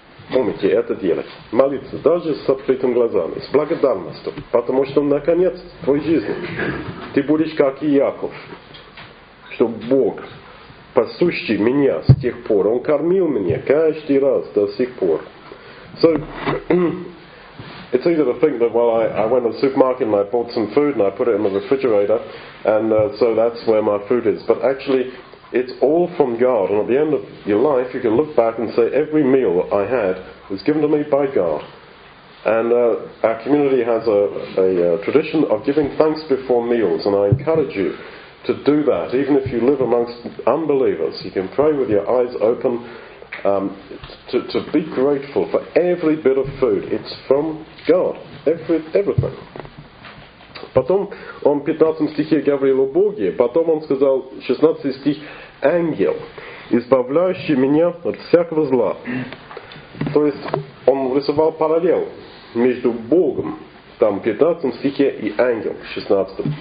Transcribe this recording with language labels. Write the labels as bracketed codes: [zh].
[ru] помните, это делать, молиться, даже с открытыми глазами, с благодарностью, потому что, наконец, в твоей жизни ты будешь, как и Яков, что Бог, пасущий меня с тех пор, Он кормил меня каждый раз до сих пор. [en] So, it's easy to think that, well, I went to the supermarket and I bought some food and I put it in the refrigerator, and so that's where my food is. But actually, it's all from God. And at the end of your life, you can look back and say, every meal I had was given to me by God. And our community has a tradition of giving thanks before meals, and I encourage you to do that. Even if you live amongst unbelievers, you can pray with your eyes open, to be grateful for every bit of food. It's from God. Everything. [ru] Потом он в 15 стихе говорил о Боге, потом он сказал 16 стих, ангел, избавляющий меня от всякого зла. То есть он рисовал параллел между Богом, там в 15 стихе, и ангел, 16.